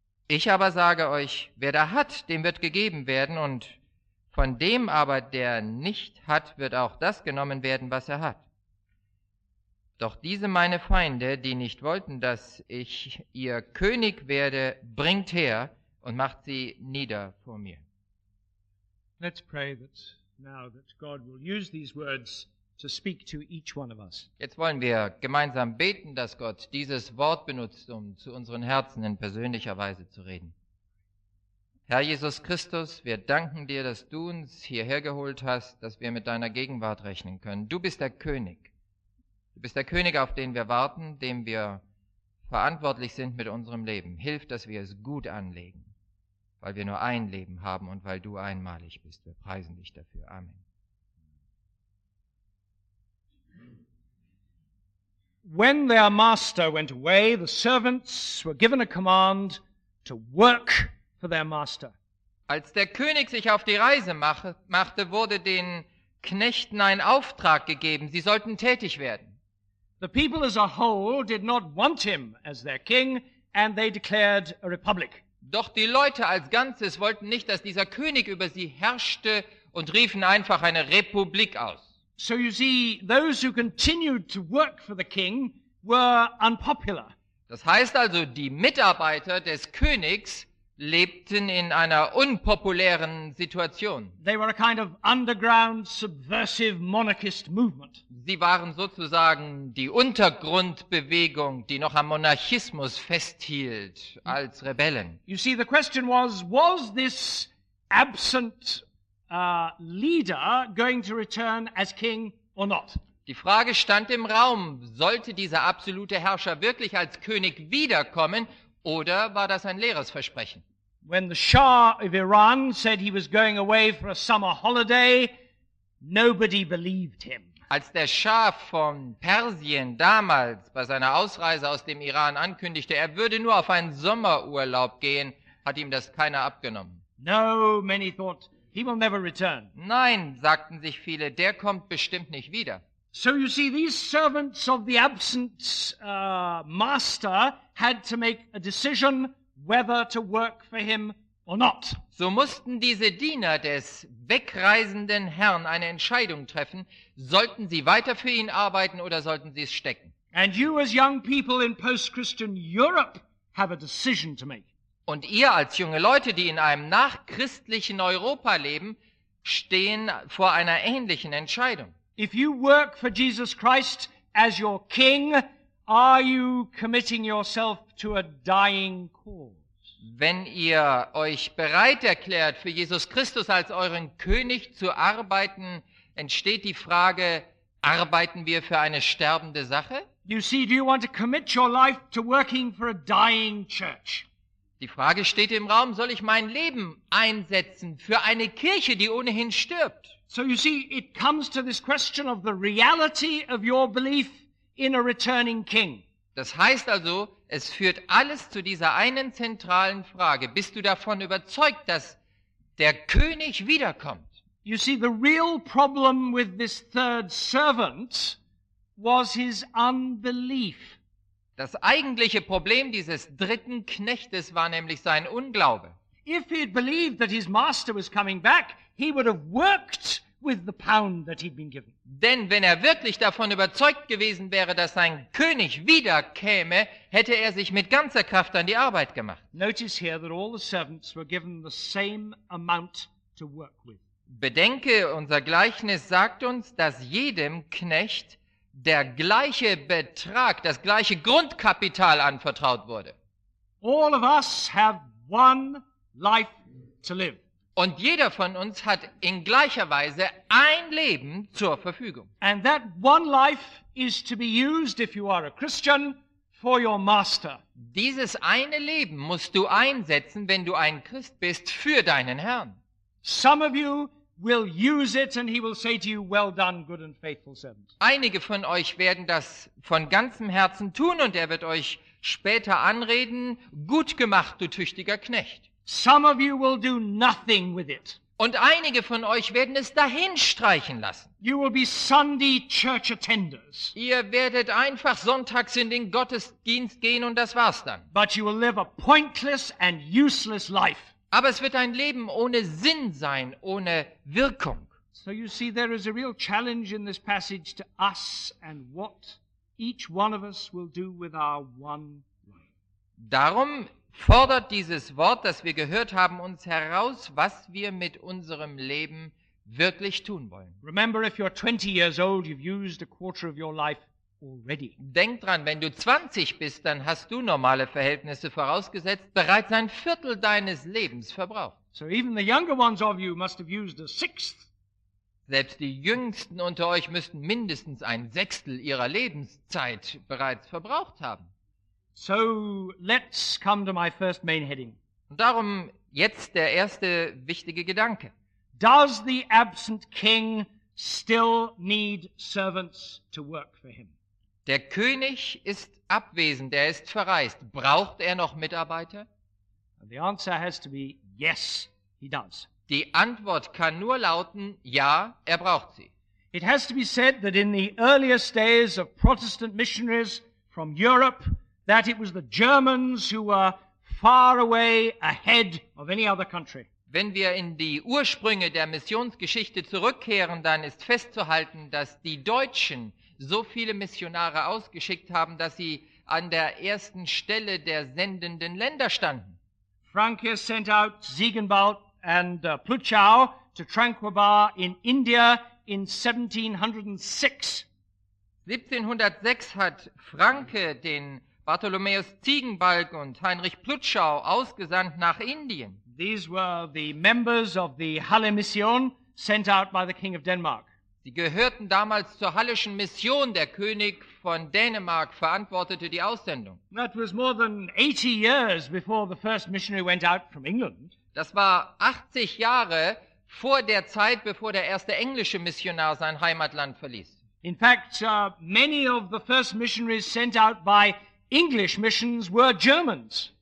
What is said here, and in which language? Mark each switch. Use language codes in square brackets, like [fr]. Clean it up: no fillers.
[de] Ich aber sage euch, wer da hat, dem wird gegeben werden und von dem aber, der nicht hat, wird auch das genommen werden, was er hat. Doch diese meine Feinde, die nicht wollten, dass ich ihr König werde, bringt her und macht sie nieder vor mir. [en] Let's pray that now that God will use these words to speak to each one of us. [de] Jetzt wollen wir gemeinsam beten, dass Gott dieses Wort benutzt, um zu unseren Herzen in persönlicher Weise zu reden. Herr Jesus Christus, wir danken dir, dass du uns hierher geholt hast, dass wir mit deiner Gegenwart rechnen können. Du bist der König. Du bist der König, auf den wir warten, dem wir verantwortlich sind mit unserem Leben. Hilf, dass wir es gut anlegen, weil wir nur ein Leben haben und weil du einmalig bist. Wir preisen dich dafür. Amen. [en] When their master went away, the servants were given a command to work for their master. [de] Als der König sich auf die Reise machte, wurde den Knechten ein Auftrag gegeben. Sie sollten tätig werden. [en] The people as a whole did not want him as their king, and they declared a republic. [de] Doch die Leute als Ganzes wollten nicht, dass dieser König über sie herrschte und riefen einfach eine Republik aus. [en] So you see, those who continued to work for the king were unpopular. [de] Das heißt also, die Mitarbeiter des Königs lebten in einer unpopulären Situation. [en] They were a kind of underground subversive monarchist movement. [de] Sie waren sozusagen die Untergrundbewegung, die noch am Monarchismus festhielt als Rebellen. [en] You see, the question was this absent leader going to return as king or not? [de] Die Frage stand im Raum, sollte dieser absolute Herrscher wirklich als König wiederkommen oder war das ein leeres Versprechen? [en] When the Shah of Iran said he was going away for a summer holiday, nobody believed him. [de] Als der Schah von Persien damals bei seiner Ausreise aus dem Iran ankündigte, er würde nur auf einen Sommerurlaub gehen, hat ihm das keiner abgenommen. [en] No, many thought He will never return. [de] Nein, sagten sich viele, der kommt bestimmt nicht wieder. [en] So you see, these servants of the absent master had to make a decision whether to work for him or not. [de] So mussten diese Diener des wegreisenden Herrn eine Entscheidung treffen, sollten sie weiter für ihn arbeiten oder sollten sie es stecken. [en] And you as young people in post-Christian Europe have a decision to make. [de] Und ihr als junge Leute, die in einem nachchristlichen Europa leben, stehen vor einer ähnlichen Entscheidung. [en] If you work for Jesus Christ as your king, are you committing yourself to a dying cause? [de] Wenn ihr euch bereit erklärt, für Jesus Christus als euren König zu arbeiten, entsteht die Frage, arbeiten wir für eine sterbende Sache? [en] You see, do you want to commit your life to working for a dying church? [de] Die Frage steht im Raum, soll ich mein Leben einsetzen für eine Kirche, die ohnehin stirbt? [en] So you see, it comes to this question of the reality of your belief in a returning king. [de] Das heißt also, es führt alles zu dieser einen zentralen Frage. Bist du davon überzeugt, dass der König wiederkommt? [en] You see, the real problem with this third servant was his unbelief. [de] Das eigentliche Problem dieses dritten Knechtes war nämlich sein Unglaube. [en] If he had believed that his master was coming back, he would have worked with the pound that he'd been given. [de] Denn wenn er wirklich davon überzeugt gewesen wäre, dass sein König wiederkäme, hätte er sich mit ganzer Kraft an die Arbeit gemacht. [en] Notice here that all the servants were given the same amount to work with. [de] Bedenke, unser Gleichnis sagt uns, dass jedem Knecht der gleiche Betrag, das gleiche Grundkapital anvertraut wurde. [en] All of us have one life to live. [de] Und jeder von uns hat in gleicher Weise ein Leben zur Verfügung. [en] And that one life is to be used, if you are a Christian, for your master. [de] Dieses eine Leben musst du einsetzen, wenn du ein Christ bist, für deinen Herrn. [en] Some of you will use it and he will say to you, well done, good and faithful servant. [de] Einige von euch werden das von ganzem Herzen tun und er wird euch später anreden, gut gemacht, du tüchtiger Knecht. [en] Some of you will do nothing with it. [de] Und einige von euch werden es dahin streichen lassen. [en] You will be Sunday church attenders. [de] Ihr werdet einfach sonntags in den Gottesdienst gehen und das war's dann. [en] But you will live a pointless and useless life. [de] Aber es wird ein Leben ohne Sinn sein, ohne Wirkung. [en] So you see, there is a real challenge in this passage to us and what each one of us will do with our one life. [de] Darum fordert dieses Wort, das wir gehört haben, uns heraus, was wir mit unserem Leben wirklich tun wollen. [en] Remember, if you're 20 years old, you've used a quarter of your life. Already. [de] Denk dran, wenn du 20 bist, dann hast du normale Verhältnisse vorausgesetzt, bereits ein Viertel deines Lebens verbraucht. [en] So even the younger ones of you must have used a sixth. [de] Selbst die Jüngsten unter euch müssten mindestens ein Sechstel ihrer Lebenszeit bereits verbraucht haben. [en] So let's come to my first main heading. [de] Und darum jetzt der erste wichtige Gedanke. [en] Does the absent king still need servants to work for him? [de] Der König ist abwesend, er ist verreist. Braucht er noch Mitarbeiter? [en] The answer has to be yes, he does. [de] Die Antwort kann nur lauten, ja, er braucht sie. [en] It has to be said that in the earliest days of Protestant missionaries from Europe, that it was the Germans who were far away ahead of any other country. [de] Wenn wir in die Ursprünge der Missionsgeschichte zurückkehren, dann ist festzuhalten, dass die Deutschen so viele Missionare ausgeschickt haben, dass sie an der ersten Stelle der sendenden Länder standen. [en] Franke sent out Siegenbalt and Pluchau to Tranquabar in India in 1706. [de] 1706 hat Franke den Bartholomäus Ziegenbalg und Heinrich Plutschau ausgesandt nach Indien. [en] These were the members of the Halle Mission sent out by the King of Denmark. [de] Sie gehörten damals zur Halleschen Mission, der König von Dänemark verantwortete die Aussendung. [en] That was more than 80 years before the first missionary went out from England. [de] Das war 80 Jahre vor der Zeit, bevor der erste englische Missionar sein Heimatland verließ. [en] In fact, many of the first missionaries sent out by English missions were Germans.